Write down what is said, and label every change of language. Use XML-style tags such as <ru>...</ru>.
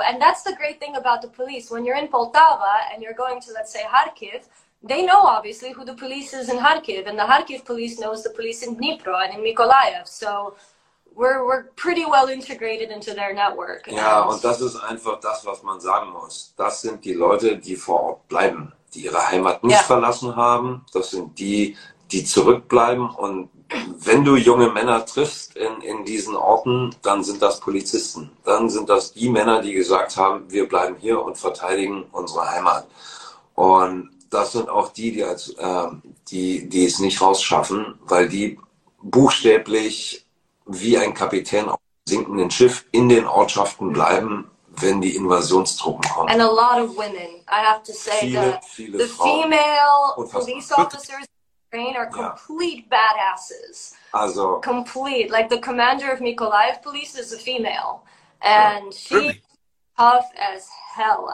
<en>And that's the great thing about the police. When you're in Poltava and you're going to, let's say, Kharkiv, they know, obviously, who the police is in Kharkiv. And the Kharkiv police knows the police in Dnipro and in Mykolaiv. So we're pretty well integrated into their network. Yeah, and that is</en> <de>einfach das, was man sagen muss. Das sind die Leute, die vor Ort bleiben. Die ihre Heimat nicht verlassen haben. Das sind die, die zurückbleiben. Und wenn du junge Männer triffst in diesen Orten, dann sind das Polizisten. Dann sind das die Männer, die gesagt haben, wir bleiben hier und verteidigen unsere Heimat. Und das sind auch die, die, als, die es nicht rausschaffen, weil die buchstäblich wie ein Kapitän auf dem sinkenden Schiff in den Ortschaften bleiben, wenn die Invasionstruppen kommen.</de> <en>And a lot of women, I have to say,</en> <de>viele</de> <en>the female police officers in Ukraine are complete badasses.</en> <de>Also</de> <en>complete, like the commander of Mykolaiv police is a female, and she tough as hell.</en>